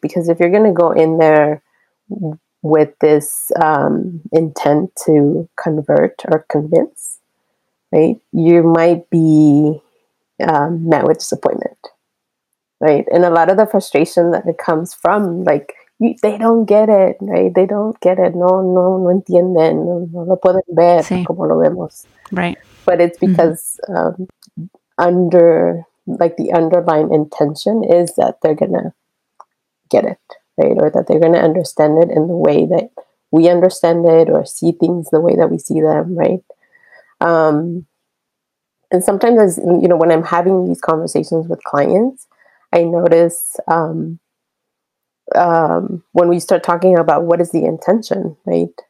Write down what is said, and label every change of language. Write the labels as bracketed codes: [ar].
[en] Because if you're going to go in there with this intent to convert or convince, right, you might be met with disappointment, right? And a lot of the frustration that it comes from, like, they don't get it, right? They don't get it. [es] No entienden. No lo pueden ver, sí, como lo vemos. [en] Right. But it's because the underlying intention is that they're going to get it, right? Or that they're going to understand it in the way that we understand it or see things the way that we see them, right? And sometimes, as you know, when I'm having these conversations with clients, I notice when we start talking about what is the intention, right?